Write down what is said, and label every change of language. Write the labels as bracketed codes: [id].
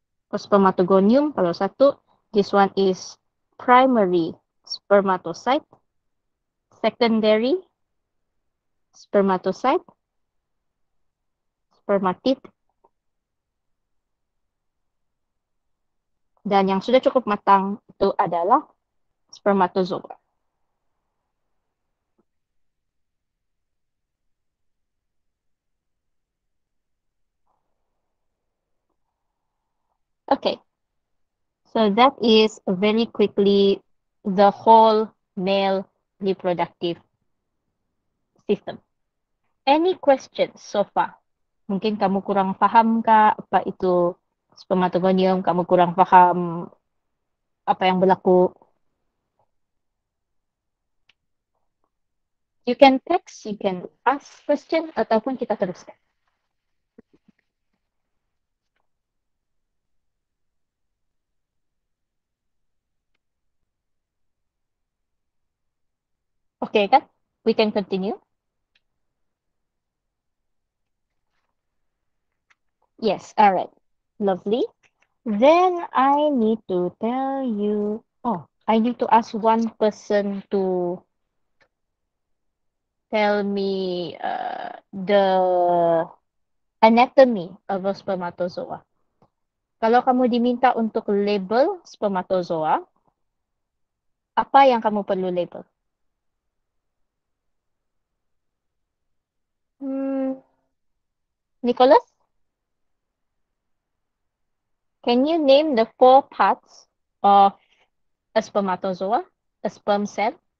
[en] Or spermatogonium, [ms] kalau satu. [en] This one is primary spermatocyte, secondary spermatocyte, spermatid. [ms] Dan yang sudah cukup matang itu adalah spermatozoa. [en] Okay, so that is very quickly the whole male reproductive system. Any questions so far? [ms] Mungkin kamu kurang paham kah apa itu spermatogonium, kamu kurang paham apa yang berlaku. [en] You can text, you can ask question, [ms] ataupun kita teruskan. [en] Okay, [ms] kan? [en] We can continue. Yes, all right. Lovely. Then I need to tell you, oh, I need to ask one person to tell me the anatomy of a spermatozoa. [ms] Kalau kamu diminta untuk label spermatozoa, apa yang kamu perlu label? [en] Nicholas, can you name the four parts of a spermatozoa, a sperm cell?